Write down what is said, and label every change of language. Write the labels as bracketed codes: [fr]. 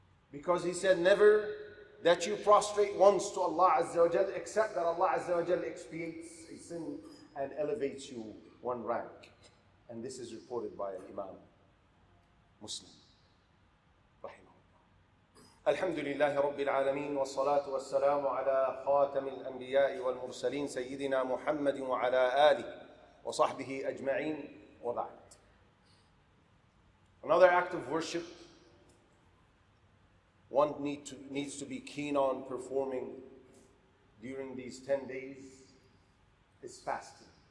[en] Because he said, never that you prostrate once to Allah Azza wa Jal, except that Allah Azza wa Jal expiates a sin and elevates you one rank. And this is reported by Imam Muslim. [ar] الحمد لله رب العالمين والصلاة والسلام على خاتم الأنبياء والمرسلين سيدنا محمد وعلى آله وصحبه أجمعين وبعد. [en] Another act of worship one needs to be keen on performing during these 10 days is fasting.